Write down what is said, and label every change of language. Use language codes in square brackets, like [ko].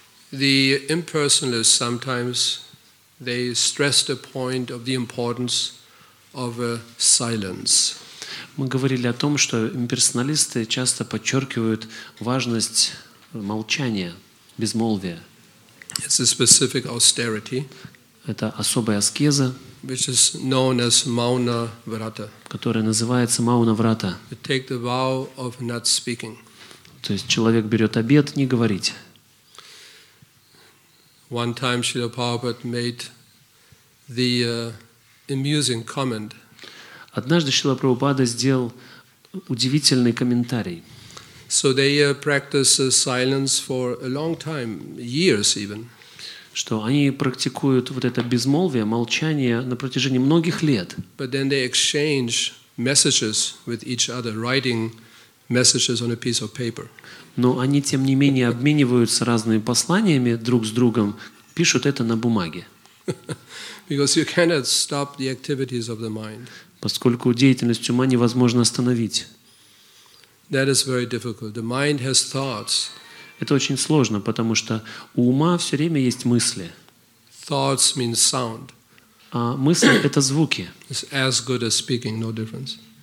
[en] The impersonalists sometimes they stress the point of the importance of a silence. [ru] Мы говорили о том, что имперсоналисты часто подчеркивают важность молчания, безмолвия. [en] It's a specific austerity, [ru] это особая аскеза, [en] which is known as Mauna Vrata, [ru] которая называется Мауна Врата. [en] Take the vow of not speaking. [ru] То есть человек берет обет не говорить. [en] One time Srila Prabhupada made the amusing comment. [ru] Однажды Шрила Прабхупада сделал удивительный комментарий. [en] So they practice silence for a long time, years even. [ru] Что они практикуют вот это безмолвие, молчание на протяжении многих лет. [en] But then they exchange messages with each other, writing messages on a piece of paper. [ru] Но они тем не менее обмениваются разными посланиями друг с другом, пишут это на бумаге. [en] Because you cannot stop the activities of the mind. [ru] Поскольку деятельность ума невозможно остановить. Это очень сложно, потому что у ума все время есть мысли. А мысли — это звуки.